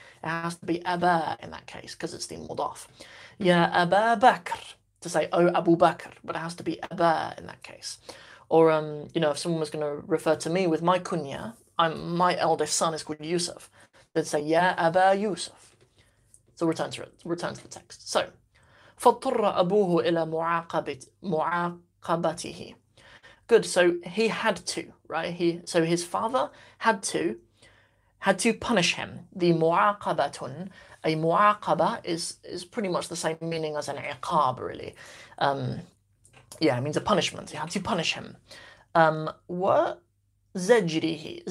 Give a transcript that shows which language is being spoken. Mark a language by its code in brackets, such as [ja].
[en] It has to be Aba in that case, because it's the mudaf. Ya Aba Bakr, to say, oh, Abu Bakr, but it has to be Aba in that case. Or, if someone was going to refer to me with my kunya, my eldest son is called Yusuf, they'd say, ya Aba Yusuf. So return to it, return to the text. [ar] So, فاضطر أبوه إلى معاقبته. [en] Good. So he had to, right? So his father had to punish him. The معاقبة, a معاقبة is pretty much the same meaning as an عقاب, really. It means a punishment. He had to punish him. What زجره.